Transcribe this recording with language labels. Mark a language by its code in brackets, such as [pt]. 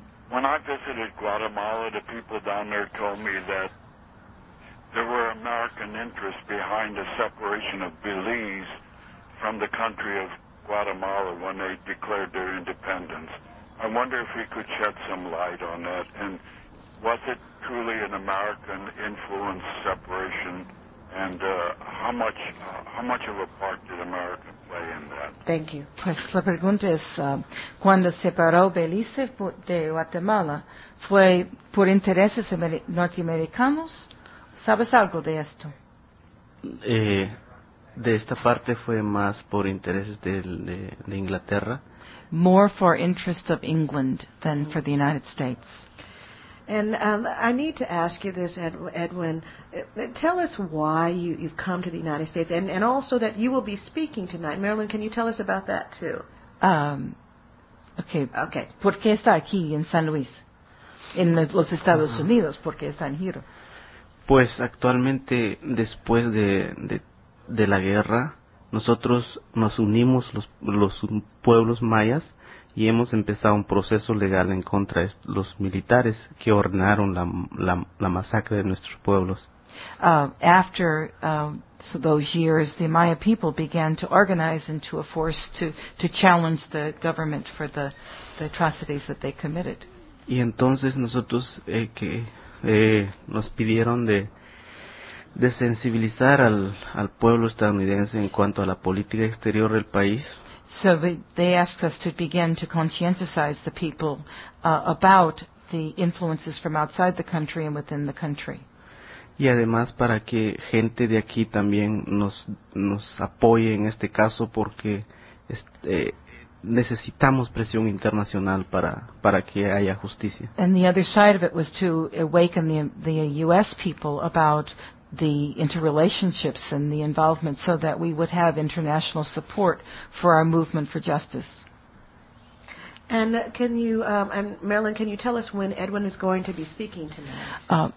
[en] When I visited Guatemala, the people down there told me that there were American interests behind the separation of Belize from the country of Guatemala when they declared their independence. I wonder if you could shed some light on that. And was it truly an American influence separation? And how much of a part did America play in that? Thank you. [es] Pues la pregunta es, cuando separó Belice de Guatemala, ¿fue por intereses norteamericanos? ¿Sabes algo de esto? De esta parte fue más por intereses de Inglaterra. [en] More for interest of England than for the United States. And I need to ask you this, Edwin. Tell us why you've come to the United States, and also that you will be speaking tonight. Marilyn, can you tell us about that, too? Okay. [es] ¿Por qué está aquí en San Luis, en los Estados Unidos? ¿Por qué está en giro? Pues actualmente, después de la guerra, nosotros nos unimos los pueblos mayas y hemos empezado un proceso legal en contra de los militares que ordenaron la masacre de nuestros pueblos. [en] After those years, the Maya people began to organize into a force to challenge the government for the atrocities that they committed. [es] Y entonces nosotros nos pidieron de sensibilizar al pueblo estadounidense en cuanto a la política exterior del país. [en] So they asked us to begin to conscientize the people about the influences from outside the country and within the country. [es] Y además para que gente de aquí también nos apoye en este caso, porque necesitamos presión internacional para que haya justicia. [en] And the other side of it was to awaken the U.S. people about the interrelationships and the involvement so that we would have international support for our movement for justice. And can you, and Marilyn, can you tell us when Edwin is going to be speaking tonight?